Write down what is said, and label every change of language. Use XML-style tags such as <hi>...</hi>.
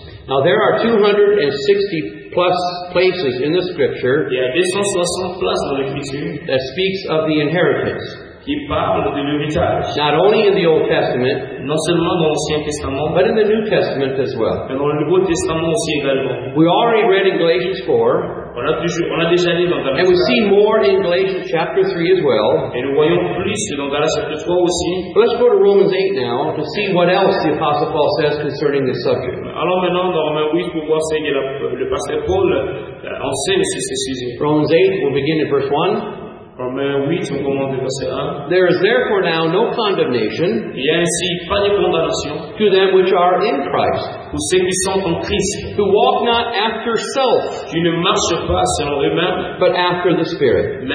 <en>Now there are 260 plus places in the scripture that speaks of the inheritance. Not only in the Old Testament,</en> <fr>non seulement dans l'Ancien Testament,</fr> <en>but in the New Testament as well.</en> <fr>Mais dans le Nouveau Testament aussi également.</fr> <en>We already read in Galatians 4.</en> <fr>On a déjà lu dans Galatians.</fr> <en>And we see more in Galatians chapter 3 as well.</en> <fr>Et nous voyons plus dans Galatians chapter 3 aussi.</fr> <en>Let's go to Romans 8 now to see what else the Apostle Paul says concerning this subject.</en> <fr>Alors maintenant dans Romains 8 pour voir ce que le pasteur Paul enseigne sur ce sujet.</fr> <en>Romans 8, we'll begin in verse 1. There is therefore now no condemnation to them which are in Christ, who walk not after self, but after the Spirit.</en>